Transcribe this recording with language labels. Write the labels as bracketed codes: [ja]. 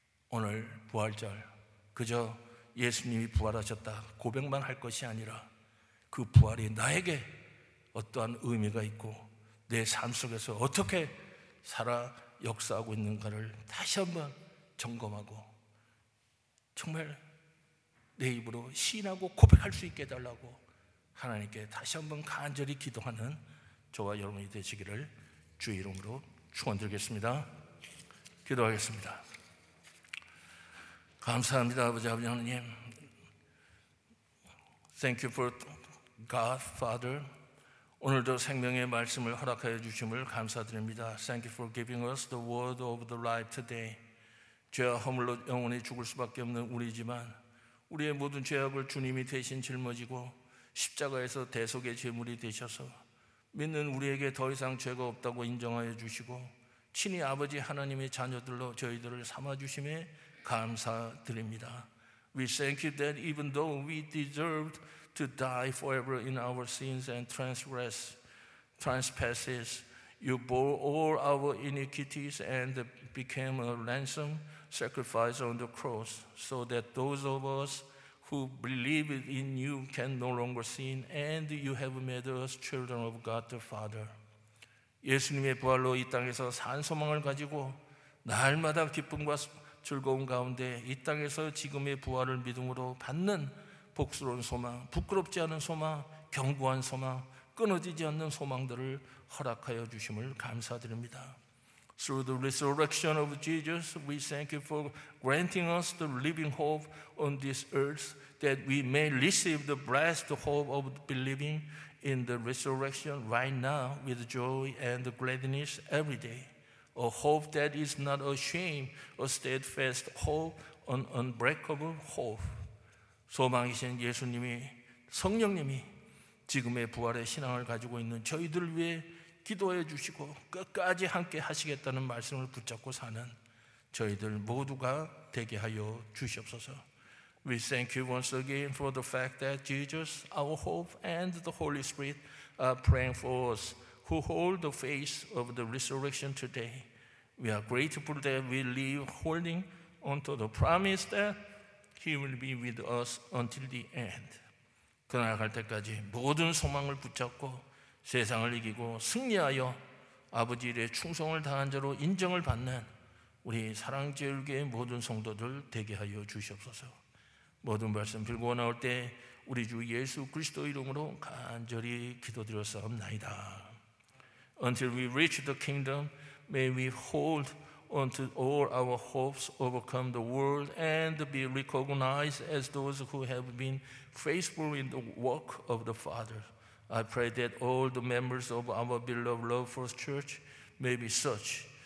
[ko] 오늘 부활절 그저 예수님이 부활하셨다 고백만 할 것이 아니라 그 부활이 나에게 어떠한 의미가 있고 내 삶 속에서 어떻게 살아 역사하고 있는가를 다시 한번 점검하고 정말 내 입으로 시인하고 고백할 수 있게 해달라고 하나님께 다시 한번 간절히 기도하는 저와 여러분이 되시기를 주 이름으로 축원드리겠습니다. 기도하겠습니다. 감사합니다. 아버지 아버지 하나님. [en] Thank you for God, Father. [ko] 오늘도 생명의 말씀을 허락하여 주심을 감사드립니다. [en] Thank you for giving us the word of the life today. [ko] 죄와 허물로 영원히 죽을 수밖에 없는 우리지만 우리의 모든 죄악을 주님이 대신 짊어지고 십자가에서 대속의 제물이 되셔서 믿는 우리에게 더 이상 죄가 없다고 인정하여 주시고 친히 아버지 하나님의 자녀들로 저희들을 삼아주심에 감사드립니다. [en] We thank you that even though we deserved to die forever in our sins and trespasses, you bore all our iniquities and became a ransom sacrifice on the cross so that those of us who believe in you can no longer sin and you have made us children of God the Father. [ko] 예수님의 부활로 이 땅에서 산 소망을 가지고 날마다 기쁨과 즐거운 가운데 이 땅에서 지금의 부활을 믿음으로 받는 복스러운 소망, 부끄럽지 않은 소망, 견고한 소망, 끊어지지 않는 소망들을 허락하여 주심을 감사드립니다. [en] Through the resurrection of Jesus, we thank you for granting us the living hope on this earth that we may receive the blessed hope of believing in the resurrection right now with joy and gladness every day. A hope that is not a shame, a steadfast hope, an unbreakable hope. [ko] 소망이신 예수님이, 성령님이 지금의 부활의 신앙을 가지고 있는 저희들을 위해 기도해 주시고 끝까지 함께 하시겠다는 말씀을 붙잡고 사는 저희들 모두가 되게 하여 주시옵소서. [en] We thank you once again for the fact that Jesus, our hope, and the Holy Spirit are praying for us who hold the faith of the resurrection today. We are grateful that we live holding onto the promise that He will be with us until the end. [ko] 그날 갈 때까지 모든 소망을 붙잡고 세상을 이기고 승리하여 아버지 일에 충성을 다한 자로 인정을 받는 우리 사랑제일교회의 모든 성도들 되게 하여 주시옵소서. 모든 말씀 빌고 나올 때 우리 주 예수 그리스도 이름으로 간절히 기도드렸사옵나이다. [en] Until we reach the kingdom, may we hold onto all our hopes, overcome the world, and be recognized as those who have been faithful in the work of the Father. I pray that all the members of our beloved Love First Church may be such.